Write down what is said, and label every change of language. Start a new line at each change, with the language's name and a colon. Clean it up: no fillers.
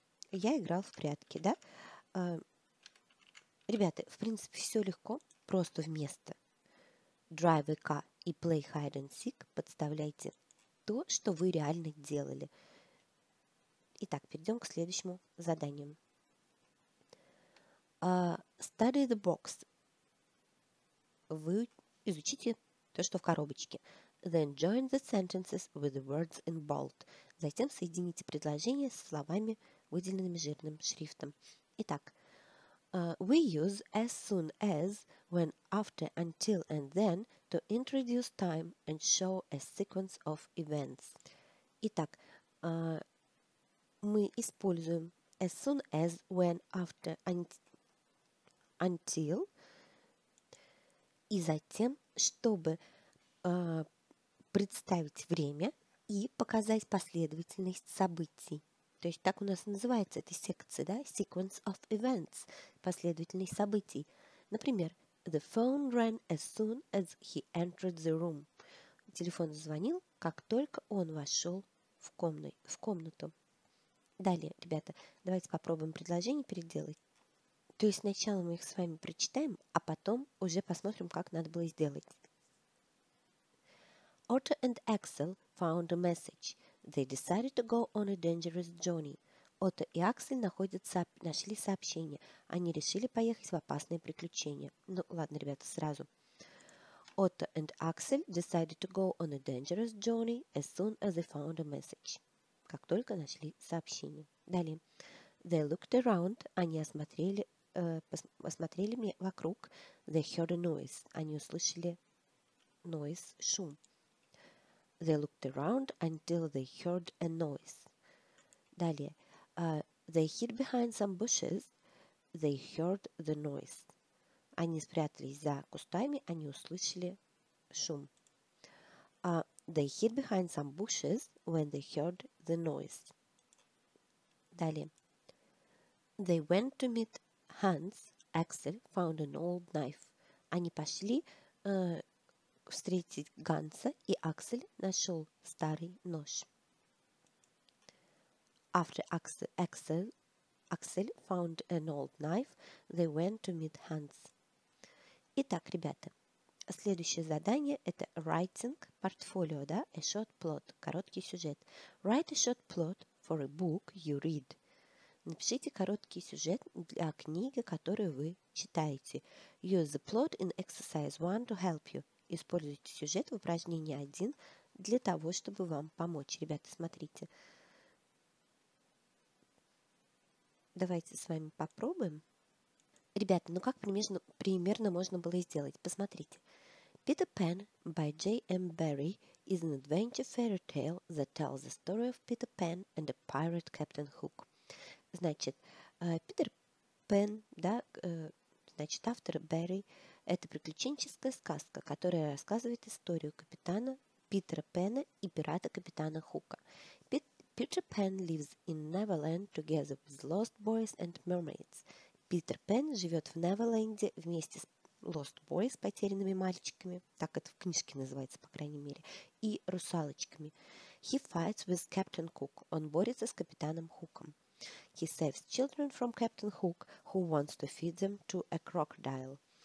Russian: Я играл в прятки, да? Ребята, в принципе, все легко, просто вместо
English: drive a car
Russian: и
English: play hide and seek
Russian: подставляйте то, что вы реально делали. Итак, перейдем к следующему заданию.
English: Study the box.
Russian: Вы изучите то, что в коробочке.
English: Then join the sentences with the words in bold.
Russian: Затем соедините предложение со словами, выделенными жирным шрифтом.
English: Итак, we use as soon as, when, after, until, and then to introduce time and show a sequence of events.
Russian: Итак, мы используем
English: as soon as, when, after, until
Russian: и затем, чтобы представить время и показать последовательность событий. То есть так у нас называется эта секция, да?
English: Sequence of events,
Russian: последовательность событий.
English: Например, the phone rang as soon as he entered the room.
Russian: Телефон звонил, как только он вошел в комнату. Далее, ребята, давайте попробуем предложение переделать. То есть сначала мы их с вами прочитаем, а потом уже посмотрим, как надо было сделать.
English: Otto and Axel found a message. They decided to go on a dangerous journey.
Russian: Отто и Аксель нашли сообщение. Они решили поехать в опасное приключение. Ну, ладно, ребята, сразу.
English: Отто and Аксель decided to go on a dangerous journey as soon as they found a message.
Russian: Как только нашли сообщение.
English: Далее. They looked around.
Russian: Они осмотрели мне вокруг.
English: They heard a noise.
Russian: Они услышали
English: noise,
Russian: шум.
English: They looked around until they heard a noise. Далее. They hid behind some bushes. They heard the noise.
Russian: Они спрятались за кустами, они услышали шум.
English: They hid behind some bushes when they heard the noise. Далее. They went to meet Hans. Axel found an old knife.
Russian: Они пошли встретить Ганса, и Аксель нашел старый нож.
English: After Axel found an old knife, they went to meet Hans.
Russian: Итак, ребята, следующее задание – это
English: writing portfolio,
Russian: да,
English: a short plot,
Russian: короткий сюжет.
English: Write a short plot for a book you read.
Russian: Напишите короткий сюжет для книги, которую вы читаете.
English: Use the plot in exercise 1 to help you.
Russian: Используйте сюжет в упражнении 1 для того, чтобы вам помочь. Ребята, смотрите. Давайте с вами попробуем. Ребята, ну как примерно можно было сделать?
English: Посмотрите. Peter Pan by J.M. Barrie is an adventure fairy tale that tells the story of Peter Pan and the pirate Captain Hook.
Russian: Значит, Питер Пен, да, значит, автор Barrie, это приключенческая сказка, которая рассказывает историю капитана Питера Пена и пирата Капитана Хука.
English: Peter Pan lives in Neverland together with lost boys and mermaids.
Russian: Питер Пен живет в Неверленде вместе с Lost Boys, потерянными мальчиками, так это в книжке называется, по крайней мере, и русалочками.
English: He fights with Captain Hook.
Russian: Он борется с Капитаном Хуком.
English: He saves children from Captain Hook, who wants to feed them to a crocodile.